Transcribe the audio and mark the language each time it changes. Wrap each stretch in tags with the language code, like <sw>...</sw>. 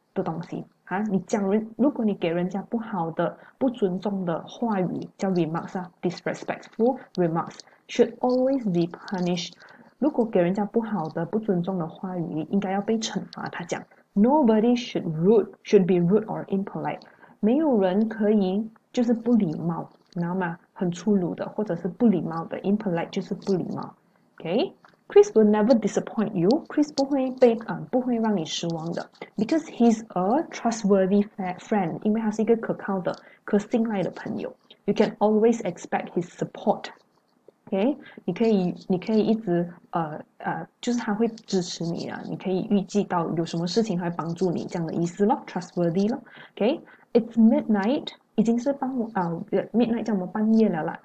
<zh>的东西啊，你讲人，如果你给人家不好的、不尊重的话语，叫 remarks 啊，</zh> <en>disrespectful remarks should always be punished。</en> <zh>如果给人家不好的、不尊重的话语，应该要被惩罚。他讲，</zh> <en>nobody should be rude or impolite。</en> <zh>没有人可以就是不礼貌，你知道吗？很粗鲁的，或者是不礼貌的，impolite 就是不礼貌。</zh> <en>OK，Chris will never disappoint you. Chris</en> <zh>不会让你失望的，</zh> <en>because he's a trustworthy friend.</en> <zh>因为他是一个可靠的、可信赖的朋友。</zh> <en>You can always expect his support.</en> <zh>OK，你可以一直就是他会支持你啊。你可以预计到有什么事情他会帮助你这样的意思咯，trustworthy 咯。</zh> <en>OK，It's midnight.</en> <zh>已经是傍midnight 叫什么半夜了啦。</zh>